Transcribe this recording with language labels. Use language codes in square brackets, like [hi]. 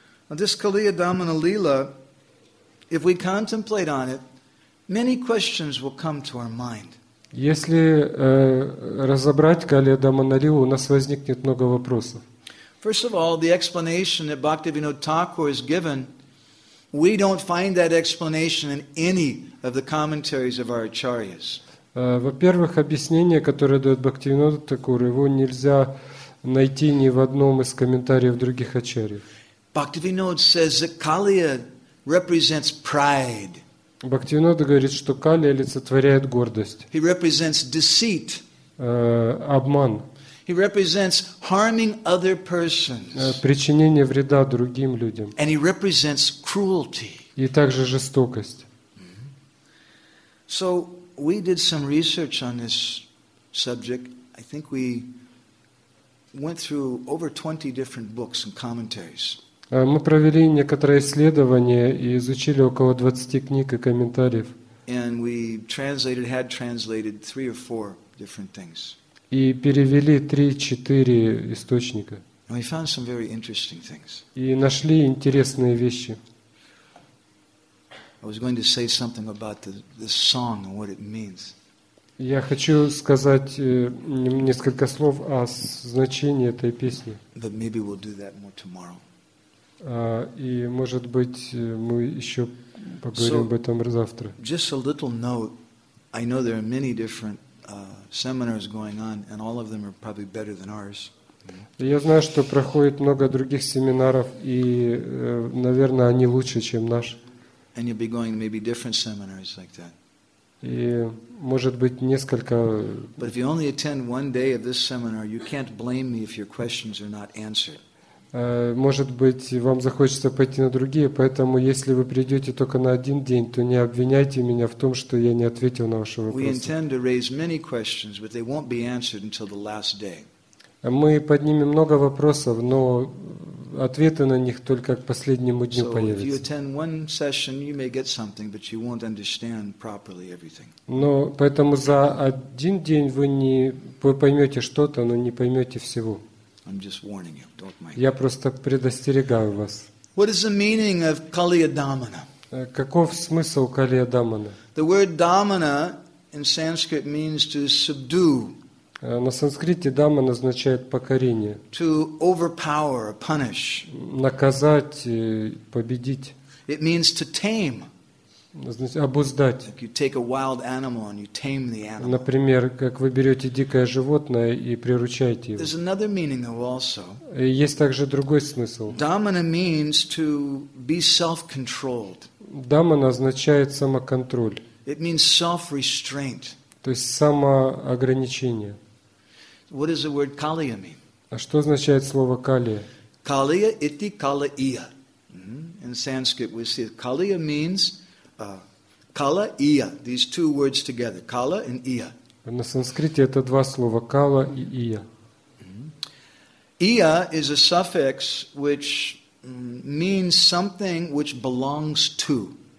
[en] This Kaliya Damana lila, if we contemplate on it, many questions will come to our mind. [ru] Если разобрать Калия Дамана лилу, у нас возникнет много вопросов. [en] First of all, the explanation that Bhaktivinoda Thakur is given, we don't find that explanation in any of the commentaries of our acharyas. [ru] Во-первых, объяснение, которое дает Бхактивинода Такур, его нельзя найти ни в одном из комментариев других ачарьев. [en] Bhaktivinoda says that Kaliya represents pride. [ru] Бхактивинода говорит, что Калия олицетворяет гордость. [en] He represents deceit. [ru] Обман. [en] He represents harming other persons. [ru] Причинение вреда другим людям. [en] And he represents cruelty. [ru] И также жестокость. [en] So we did some research on this subject. I think we went through over 20 different books and commentaries. [ru] Мы провели некоторое исследование и изучили около 20 книг и комментариев. [en] And we translated, had translated three or four different things. [ru] И перевели 3-4 источника. [en] And we found some very interesting things. [ru] И нашли интересные вещи. [en] I was going to say something about the song and what it means. [ru] Я хочу сказать несколько слов о значении этой песни. [en] But maybe we'll do that more tomorrow. [ru] И, может быть, мы еще поговорим об этом завтра. [en] Just a little note. I know there are many different seminars going on, and all of them are probably better than ours. [ru] Я знаю, что проходит много других семинаров, и, наверное, они лучше, чем наш. [en] And you'll be going to maybe different seminars like that. [ru] И, может быть, несколько. [en] But if you only attend one day of this seminar, you can't blame me if your questions are not answered. [ru] Может быть, вам захочется пойти на другие, поэтому если вы придете только на один день, то не обвиняйте меня в том, что я не ответил на ваши вопросы. Мы поднимем много вопросов, но ответы на них только к последнему дню появятся. Но поэтому за один день вы поймете что-то, но не поймете всего. [en] I'm just warning you. Don't mind. [ru] Я просто предостерегаю вас. [en] What is the meaning of Kaliya Damana? [ru] Каков смысл Калия Дамана? [en] The word Damana in Sanskrit means to subdue. [ru] На санскрите Дамана означает покорение. [en] To overpower, punish. [ru] Наказать, победить. [en] It means to tame. [ru] Значит, обуздать. [en] Like you take a wild animal and you tame the animal. [ru] Например, как вы берете дикое животное и приручаете его. [en] There's another meaning though also. [ru] Есть также другой смысл. [en] Damana means to be self-controlled. [ru] Дамана означает самоконтроль. [en] It means self-restraint. [ru] То есть самоограничение. [en] What is the word kaliya mean? [ru] А что означает слово калия? [sa] Kaliya iti kalaiya. [en] In Sanskrit we see kaliya means kalaiya. These two words together, kala and iya. [ru] На санскрите это два слова кала и ия. Ия is a suffix which means something which belongs to.